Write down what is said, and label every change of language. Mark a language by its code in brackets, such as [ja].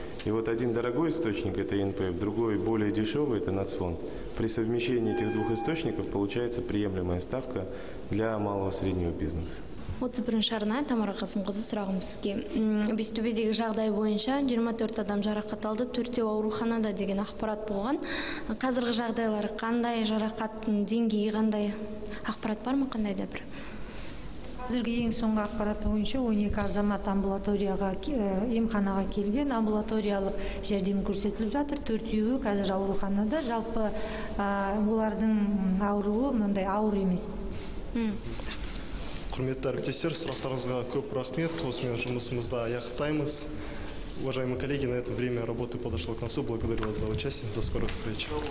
[ru] И вот один дорогой источник – это ЕНПФ, другой более дешевый – это нацфонд. При совмещении этих двух источников получается приемлемая ставка для малого и среднего бизнеса. Вот цифры шарная, [kk] Тамара Касымқызы, сұрағым сізге. Біз төбедегі жағдай бойынша 24 адам жарақат алды, 4-теу ауруханада деген ақпарат болған. Қазіргі жағдайлар қандай, жарақаттың деңгейі қандай, ақпарат бар ма, қандай да бір? Қазіргі ең соңғы ақпарат бойынша 12 азамат амбулаторияға, емханаға келген, амбулаториялық жәрдем көрсетіліп жатыр. 4-теуі қазір ауруханада. Жалпы олардың ауруы мындай ауыр емес. Құрметті әріптестер, сұрақтарыңызға көп рахмет. Осымен жұмысымызды аяқтаймыз. [ru] Уважаемые коллеги, на это время работы подошло к концу. Благодарю вас за участие. До скорых встреч.